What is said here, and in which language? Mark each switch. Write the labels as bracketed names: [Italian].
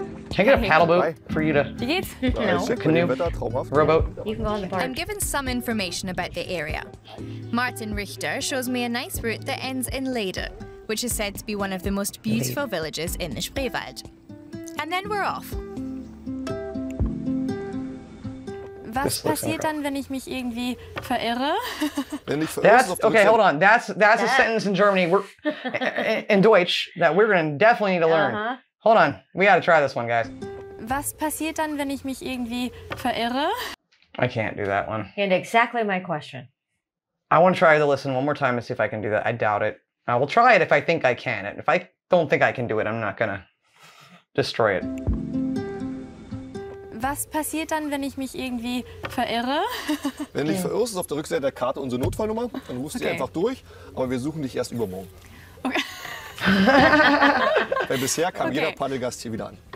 [English] Can I get a paddle boat for you to canoe, rowboat? You can go on the barge. I'm given some information about the area. Martin Richter shows me a nice route that ends in Leder, which is said to be one of the most beautiful villages in the Spreewald. And then we're off. [German] Was passiert dann, wenn ich mich irgendwie verirre? [English] Okay, hold on. That's a sentence in Germany. [German] In Deutsch, [English] that we're going to definitely need to learn. Uh-huh. Hold on. We got to try this one, guys. [German] Was passiert dann, wenn ich mich irgendwie verirre? [English] I can't do that one. And exactly my question. I want to try to listen one more time and see if I can do that. I doubt it. I will try it if I think I can. And if I don't think I can do it, I'm not going to destroy it. [German] Was passiert dann, wenn ich mich irgendwie verirre? Wenn du dich verirrst, ist auf der Rückseite der Karte unsere Notfallnummer. Dann rufst du einfach durch. Aber wir suchen dich erst übermorgen. Okay. Weil bisher kam jeder Paddelgast hier wieder an.